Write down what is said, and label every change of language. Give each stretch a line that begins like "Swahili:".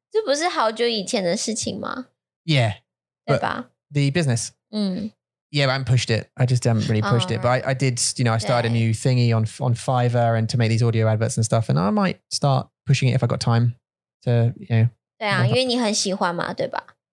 Chinese: 这不是好久以前的事情吗?
English: Yeah.
Chinese: 对吧?
English: The business. Yeah, but I haven't pushed it. I just haven't really pushed it. But I did, you know, I started a new thingy on Fiverr and to make these audio adverts and stuff. And I might start pushing it if I got time to, you know.
Chinese: 对啊，因为你很喜欢嘛，对吧？